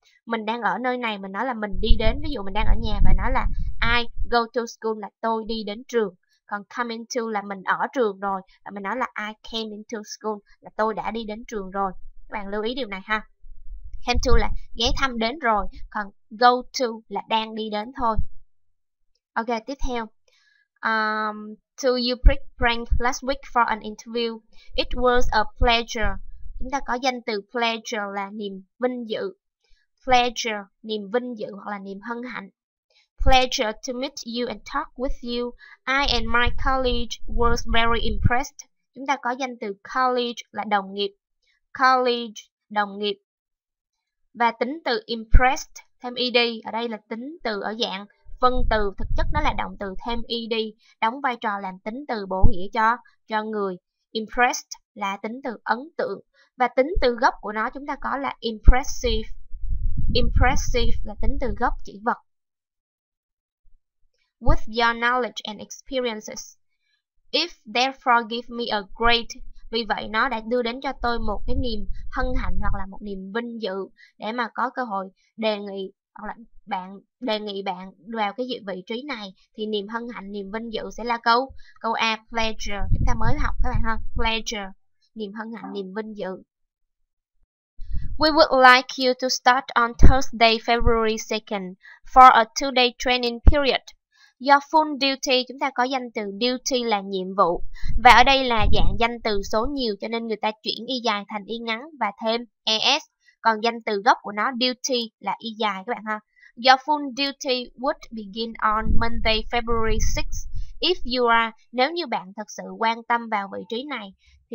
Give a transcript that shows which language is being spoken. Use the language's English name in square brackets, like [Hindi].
[Vietnamese] Mình đang ở nơi này, mình nói là mình đi đến. Ví dụ mình đang ở nhà và nói là [English] I go to school [Vietnamese] là tôi đi đến trường. Còn coming to là mình ở trường rồi. Và mình nói là [English] I came into school [Vietnamese] là tôi đã đi đến trường rồi. Các bạn lưu ý điều này ha. Came to là ghé thăm đến rồi. Còn go to là đang đi đến thôi. Ok, tiếp theo. [English] To you pre-prank last week for an interview. It was a pleasure. [Vietnamese] Chúng ta có danh từ pleasure là niềm vinh dự. Pleasure, niềm vinh dự hoặc là niềm hân hạnh. [English] Pleasure to meet you and talk with you. I and my colleague was very impressed. [Vietnamese] Chúng ta có danh từ colleague là đồng nghiệp. Colleague, đồng nghiệp. Và tính từ impressed, thêm ed. Ở đây là tính từ ở dạng phân từ. Thực chất nó là động từ thêm ed. Đóng vai trò làm tính từ bổ nghĩa cho người. Impressed là tính từ ấn tượng. Và tính từ gốc của nó chúng ta có là impressive. Impressive là tính từ gốc chỉ vật. [English] With your knowledge and experiences, if therefore give me a great, [Vietnamese] vì vậy nó đã đưa đến cho tôi một cái niềm hân hạnh hoặc là một niềm vinh dự để mà có cơ hội đề nghị hoặc là bạn đề nghị bạn vào cái vị trí này, thì niềm hân hạnh, niềm vinh dự sẽ là câu A, pleasure. Chúng ta mới học các bạn ha, pleasure, niềm hân hạnh, niềm vinh dự. [English] We would like you to start on Thursday, February 2nd for a 2-day training period. Your full duty, [Vietnamese] chúng ta có danh từ duty là nhiệm vụ. Và ở đây là dạng danh từ số nhiều cho nên người ta chuyển y dài thành y ngắn và thêm es. Còn danh từ gốc của nó duty là y dài các bạn ha. [English] Your full duty would begin on Monday, February 6th. If you are, [Vietnamese] nếu như bạn thật sự quan tâm vào vị trí này, thì